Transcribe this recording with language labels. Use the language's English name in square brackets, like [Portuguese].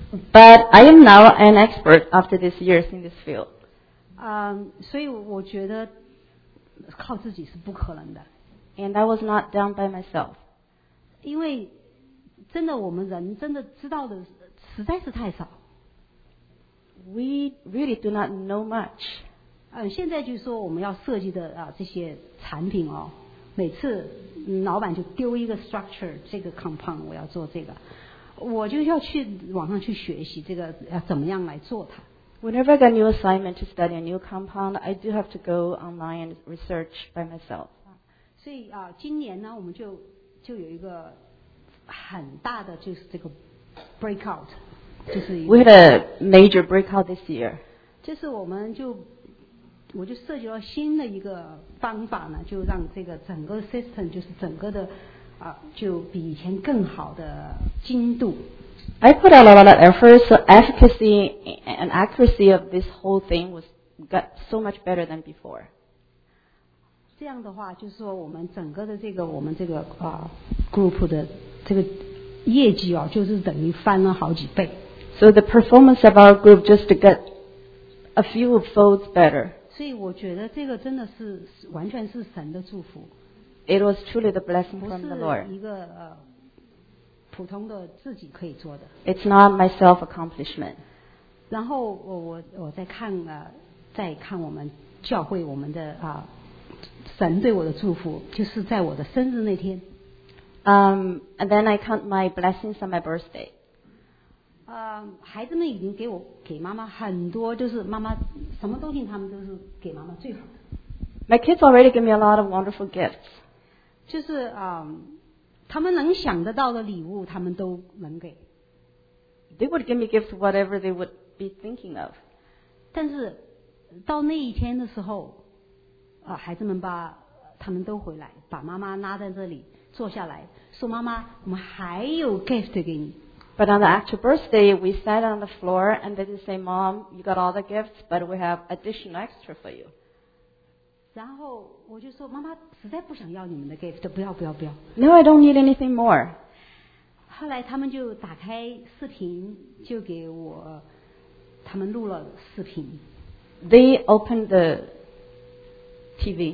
[English] But I am now an expert after these years in this field. [Chinese] 所以我觉得靠自己是不可能的。 [English] And I was not done by myself. [Chinese] 因为真的我们人真的知道的实在是太少。 [English] We really do not know much. [Chinese] 现在就是说我们要设计的这些产品哦，每次老板就丢一个 structure， 这个 compound 我要做这个，我就要去网上去学习这个要怎么样来做它。 [English] Whenever I get a new assignment to study a new compound, I do have to go online and research by myself. [Chinese] 所以今年呢，我们就有一个很大的就是这个 breakout， 就是 [English] We had a major breakout this year. [Chinese] 就是我们就我就设计了新的一个方法呢，就让这个整个 system 就是整个的啊，就比以前更好的精度。 [English] I put a lot of efforts, so efficacy and accuracy of this whole thing was got so much better than before. [Chinese] 这样的话，就是说我们整个的这个我们这个啊 group 的这个业绩哦，就是等于翻了好几倍。 [English] So the performance of our group just got a few folds better. [Chinese] 所以我觉得这个真的是完全是神的祝福。 [English] It was truly the blessing from the Lord. [Chinese] 不是一个普通的自己可以做的。 [English] It's not my self accomplishment. [Chinese] 然后我在看啊。再看我们教会我们的啊，神对我的祝福，就是在我的生日那天。 [English] And then I count my blessings on my birthday. [Chinese] 孩子们已经给妈妈很多，就是妈妈什么东西他们都是给妈妈最好的。 [English] My kids already give me a lot of wonderful gifts. [Chinese] 就是他们能想得到的礼物，他们都能给。 [English] They would give me gifts whatever they would be thinking of. [Chinese] 但是到那一天的时候孩子们把他们都回来把妈妈拉在这里坐下来说妈妈我们还有 gift 给你。 [English] But on the actual birthday, we sat on the floor and they didn't say, Mom, you got all the gifts, but we have additional extra for you. [Chinese] 然后我就说妈妈实在不想要你们的 gift, 不要不要不要。 [English] No, I don't need anything more. [Chinese] 后来他们就打开视频就给我他们录了视频。 [English] They opened the TV.